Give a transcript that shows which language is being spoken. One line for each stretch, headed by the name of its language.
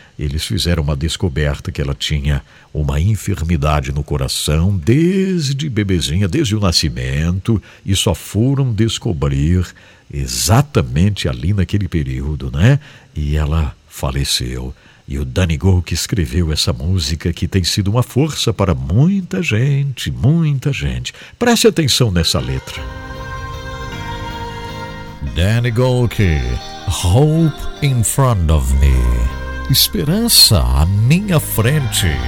Portuguese: Eles fizeram uma descoberta que ela tinha uma enfermidade no coração desde bebezinha, desde o nascimento, e só foram descobrir exatamente ali naquele período, né? E ela faleceu. E o Danny Gook escreveu essa música que tem sido uma força para muita gente, muita gente. Preste atenção nessa letra.
English: Danny Gook, hope in front of me.
Portuguese: Esperança à minha frente.